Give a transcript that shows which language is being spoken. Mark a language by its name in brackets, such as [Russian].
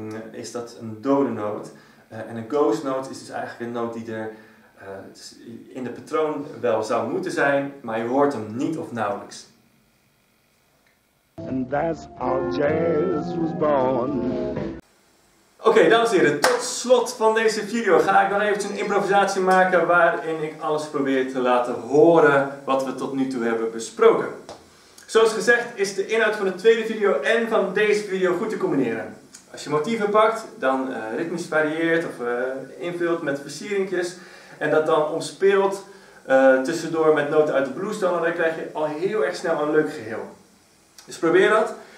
[Dutch] is dat een dode noot. En een ghost note is dus eigenlijk een noot die er in de patroon wel zou moeten zijn, maar je hoort hem niet of nauwelijks. [English] And that's how jazz was born. [Dutch] Oké, dames en heren, tot slot van deze video ga ik dan eventjes een improvisatie maken waarin ik alles probeer te laten horen wat we tot nu toe hebben besproken. Zoals gezegd is de inhoud van de tweede video en van deze video goed te combineren. Als je motieven pakt, dan ritmisch varieert of invult met versieringjes en dat dan omspeelt tussendoor met noten uit de blues, dan krijg je al heel erg snel een leuk geheel. Dus probeer dat.